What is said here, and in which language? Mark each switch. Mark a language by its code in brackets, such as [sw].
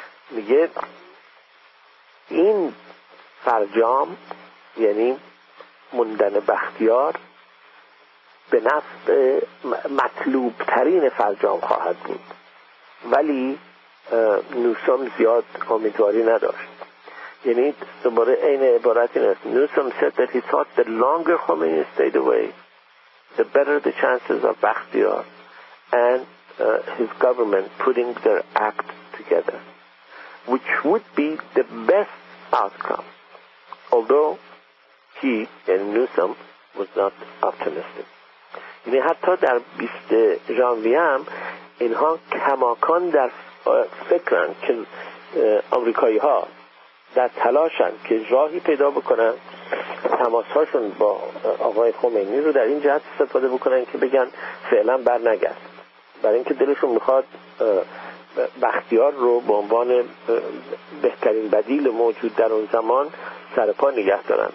[fa] میگه این فرجام یعنی موندن بختیار به نفع مطلوب ترین فرجام خواهد بود، ولی نوسام زیاد امیدواری نداشت. یعنی دوباره این عبارت این است. [en] Newsom said that he thought the longer Khomeini stayed away the better the chances of Bakhtiar and his government putting their act together which would be the best outcome, although he and Newsom was not optimistic. [fa] یعنی حتی در 20 ژانویه هم اینها کماکان در فکرن که آمریکایی ها در تلاشن که راهی پیدا بکنن تماس هاشون با آقای خمینی رو در این جهت استفاده بکنن که بگن فعلا بر نگرد، برای اینکه دلشون میخواد بختیار رو به عنوان بهترین بدیل موجود در اون زمان سرپا نگه دارن.